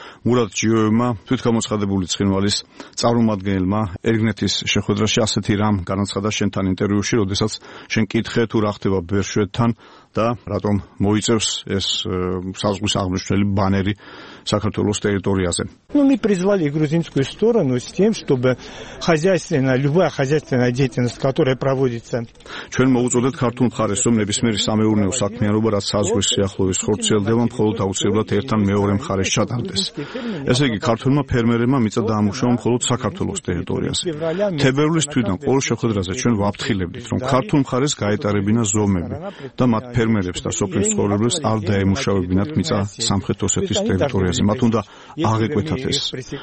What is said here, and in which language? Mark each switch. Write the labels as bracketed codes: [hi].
[ka] მურად ჯიოევმა, თვითგამოცხადებული ცხინვალის წარმომადგენელმა, ერგნეთის შეხვედრაში ასეთი რამ განაცხადა შენთან ინტერვიუში, როდესაც შენ კითხე თუ რა ხდება ბერშვეთთან და რატომ მოიწევს ეს საზღვის აღმნიშვნელი ბანერი საქართველოს ტერიტორიაზე. [ru] Ну мы призвали грузинскую сторону с тем, чтобы хозяйственная любая хозяйственная деятельность, которая проводится. [ka] ჩვენ მოუწოდეთ ქართულ მხარეს, რომ ნებისმიერი სამეურნეო საქმიანობა, რაც საზღვის სიახლოვეს ხორციელდება, მხოლოდ აუცილებლად ერთთან მეორე მხარეს ჩატარდეს. ესე იგი, ქართულმა ფერმერებმა მიწა დაამუშავონ მხოლოდ საქართველოს ტერიტორიაზე. თებერვლის თვიდან ყოველ შეხვედრაზე ჩვენ ვაფრთხილებდით, რომ ქართულ მხარეს გაეტარებინა ზომები და მათ ფერმერებს და სოფლის ცხოვრებას არ დაემუშავებინათ მიწა სამხრეთ ოსეთის ტერიტორიაზე. მათ უნდა აღეკვეთათ ეს. არის.